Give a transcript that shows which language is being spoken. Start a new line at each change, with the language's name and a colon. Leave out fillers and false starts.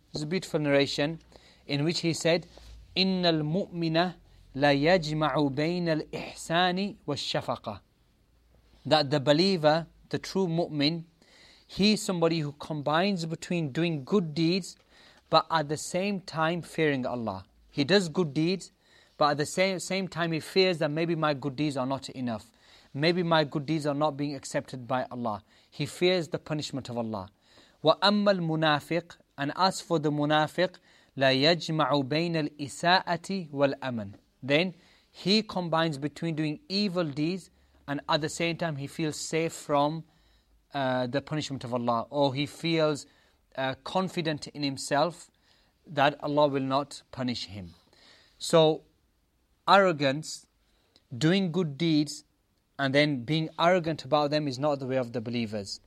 English: It's a beautiful narration in which he said,
Arabic: إِنَّ الْمُؤْمِنَ لَيَجْمَعُ بَيْنَ الْإِحْسَانِ وَالشَّفَقَةِ.
English: That the believer, the true mu'min, he's somebody who combines between doing good deeds but at the same time fearing Allah. He does good deeds, but at the same time he fears that maybe my good deeds are not enough. Maybe my good deeds are not being accepted by Allah. He fears the punishment of Allah.
Arabic: وَأَمَّا الْمُنَافِقِ,
English: and as for the munafiq,
Arabic: لَيَجْمَعُ بَيْنَ الْإِسَاءَةِ وَالْأَمَنِ.
English: Then he combines between doing evil deeds and at the same time he feels safe from the punishment of Allah, or he feels confident in himself that Allah will not punish him. So arrogance, doing good deeds and then being arrogant about them, is not the way of the believers.